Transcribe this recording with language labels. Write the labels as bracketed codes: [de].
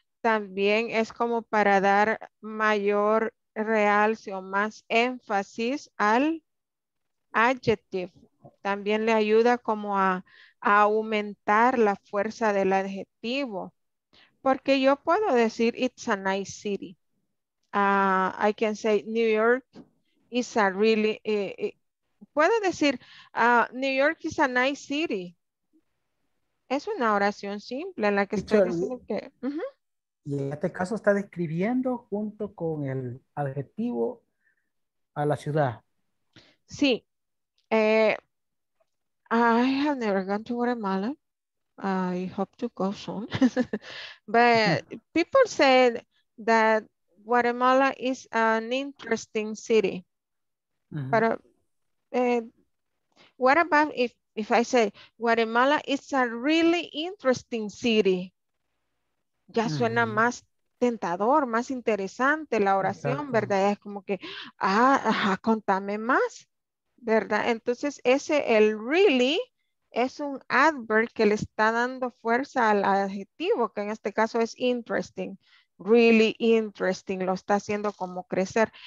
[es] también es como para dar mayor realce o más énfasis al adjective. También le ayuda como a aumentar la fuerza del adjetivo. Porque yo puedo decir [en] it's a nice city. I can say New York is a really... [es] puedo decir [en] New York is a nice city. [es] Es una oración simple en la que estoy diciendo que... Y en este caso está describiendo junto con el adjetivo a la ciudad. Sí. [en] I have never gone to Guatemala. I hope to go soon. But people said that Guatemala is an interesting city. Mm-hmm. But what about if I say Guatemala is a really interesting city? [es] Ya suena más tentador, más interesante la oración, ¿verdad? Es como que, contame más, ¿verdad? Entonces, ese, el really, es un adverb que le está dando fuerza al adjetivo, que en este caso es interesting, [en] really interesting, [es] lo está haciendo como crecer.